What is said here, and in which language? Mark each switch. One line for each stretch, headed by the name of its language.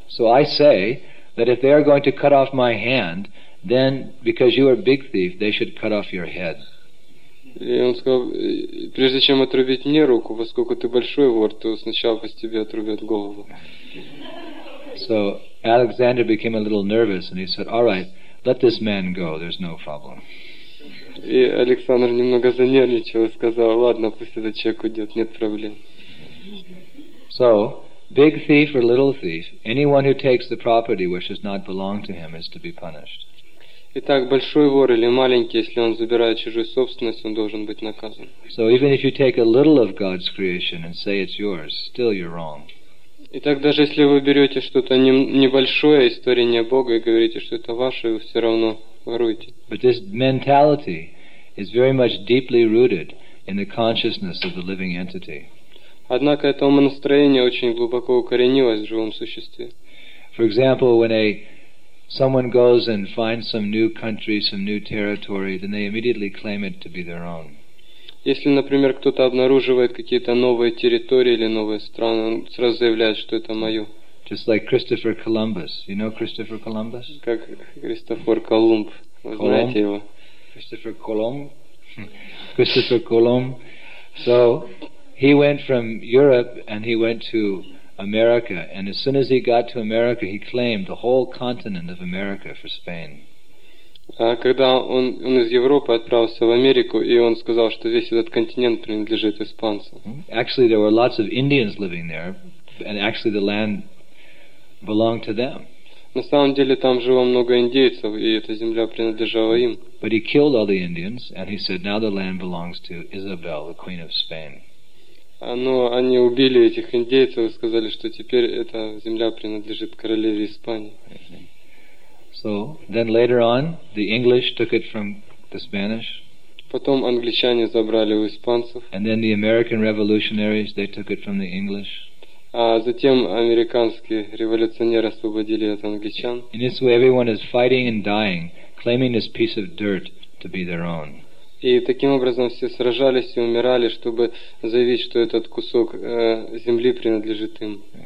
English: So I say that if they are going to cut off my hand, then because you are a big thief, they should cut off your head.
Russian: И он сказал, прежде чем отрубить мне руку, поскольку ты большой вор, то сначала пусть тебе отрубят голову.
English: So Alexander became a little nervous and he said, all right, let this man go, there's no problem.
Russian: И Александр немного занервничал и сказал, ладно, пусть этот человек уйдет, нет проблем.
English: So, big thief or little thief, anyone who takes the property which does not belong to him is to be punished.
Russian: Итак, большой вор или маленький, если он забирает чужую собственность, он должен быть наказан.
English: So even if you take a little of God's creation and say it's yours, still you're wrong.
Russian: Итак, даже если вы берете что-то небольшое из творения Бога и говорите, что это ваше, вы все равно воруете.
English: But this mentality is very much deeply rooted in the consciousness of the living entity.
Russian: Однако это умонастроение очень глубоко укоренилось в живом существе.
English: For example, when someone goes and finds some new country, some new territory, then they immediately claim it to be their own.
Russian: Если, например, кто-то обнаруживает какие-то новые территории или новые страны, он сразу заявляет, что это мое.
English: Just like Christopher Columbus. You know Christopher Columbus?
Russian: Как Кристофор Колумб. Знаете его?
English: Christopher Colomb? Christopher Colomb. So, he went from Europe and he went to America, and as soon as he got to America, he claimed the whole continent of America for Spain.
Russian: Когда он из Европы отправился в Америку, и он сказал, что весь этот континент принадлежит испанцам.
English: Actually, there were lots of Indians living there, and actually the land belonged to them.
Russian: На самом деле там жило много индейцев, и эта земля принадлежала им.
English: But he killed all the Indians, and he said, now the land belongs to Isabel, the queen of Spain.
Russian: Но они убили этих индейцев и сказали, что теперь эта земля принадлежит королеве Испании.
English: So, then later on, the English took it from the Spanish.
Russian: Потом англичане забрали у испанцев.
English: And then the American revolutionaries, they took it from the English.
Russian: А затем американские революционеры освободили от англичан.
English: In this way, everyone is fighting and dying, claiming this piece of dirt to be their own.
Russian: И таким образом все сражались и умирали, чтобы заявить, что этот кусок земли принадлежит им.